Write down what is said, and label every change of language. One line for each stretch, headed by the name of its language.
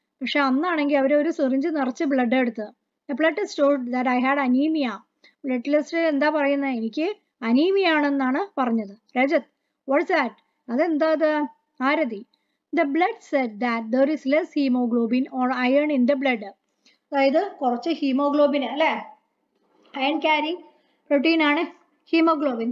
Malayalam: പക്ഷെ അന്നാണെങ്കിൽ അവർ ഒരു സിറിഞ്ച് നിറച്ച് ബ്ലഡ് എടുത്തത്.
English: A blood test showed that I had anemia.
Malayalam: Blood test എന്താ പറയുന്നത്? എനിക്ക് അനീമിയ ആണെന്നാണ് പറഞ്ഞത്.
English: Rajat, what's that?
Malayalam: അതെന്താ അത്?
English: Aarti, the blood said that there is less haemoglobin on iron in the blood.
Malayalam: അതായത് കുറച്ച് ഹീമോഗ്ലോബിൻ അല്ലേ, അയൺ കാരിങ് പ്രോട്ടീൻ ആണ് ഹീമോഗ്ലോബിൻ.